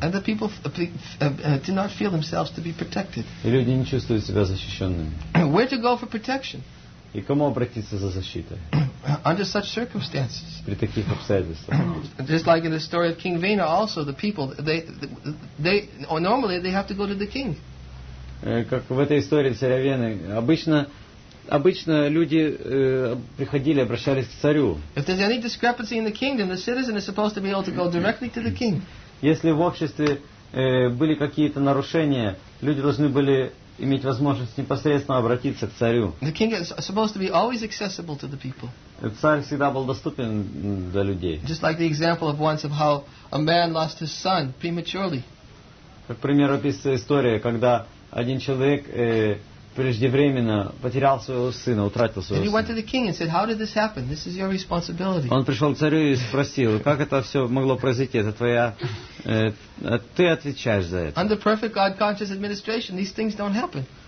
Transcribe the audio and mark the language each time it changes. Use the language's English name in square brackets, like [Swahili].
[English] And the people do not feel themselves to be protected. [Russian] И люди не чувствуют себя защищенными. [English] Where to go for protection? [Russian] И кому обратиться за защитой? [English] Under such circumstances. [Russian] При таких обстоятельствах. [English] Just like in the story of King Vena, also the people they normally have to go to the king. [Russian] Как в этой истории царя Вены, обычно люди приходили, обращались к царю. [English] If there's any discrepancy in the kingdom, the citizen is supposed to be able to go directly to the king. [Russian] Если в обществе были какие-то нарушения, люди должны были иметь возможность непосредственно обратиться к царю. [English] The king is supposed to be always accessible to the people. [Russian] Царь всегда был доступен для людей. [English] Just like the example of once of how a man lost his son prematurely. [Russian] Как пример описывается история, когда один человек преждевременно потерял своего сына, утратил своего сына. [English] And he went to the king and said, "How did this happen? This is your responsibility." [Russian] Он пришел к царю и спросил, как это все могло произойти? Это твоя, ты отвечаешь за это. [English] Under perfect God-conscious administration, these things don't happen.